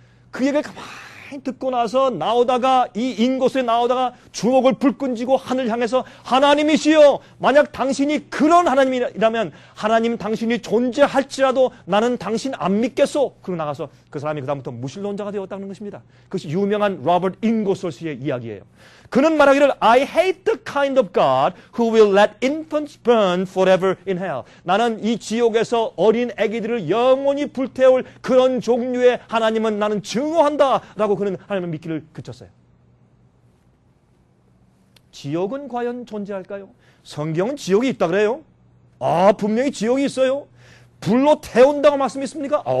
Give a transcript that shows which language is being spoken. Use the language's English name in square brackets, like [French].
[Korean] 그 얘기를 가만히 듣고 나서 나오다가 이 인곳에 나오다가 주먹을 불 끈지고 하늘 향해서 하나님이시여 만약 당신이 그런 하나님이라면 하나님 당신이 존재할지라도 나는 당신 안 믿겠소. 그러고 나가서 그 사람이 그다음부터 무신론자가 되었다는 것입니다. 그것이 유명한 로버트 인고솔스의 이야기예요. 그는 말하기를 [English] I hate the kind of God who will let infants burn forever in hell. [Korean] 나는 이 지옥에서 어린 아기들을 영원히 불태울 그런 종류의 하나님은 나는 증오한다 라고 그는 하나님을 믿기를 그쳤어요. 지옥은 과연 존재할까요? 성경은 지옥이 있다 그래요? 아 분명히 지옥이 있어요. 불로 태운다고 말씀했습니까?